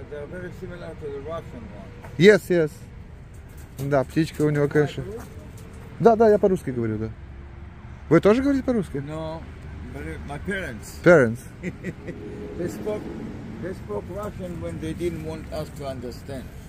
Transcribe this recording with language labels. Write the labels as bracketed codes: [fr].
[en] They are very similar to the Russian one. Yes, yes. [ru] Да, птичка у него, конечно. Да, да, я по-русски говорю, да. Вы тоже говорите по-русски? [en] No, but my parents. Parents. they spoke Russian when they didn't want us to understand.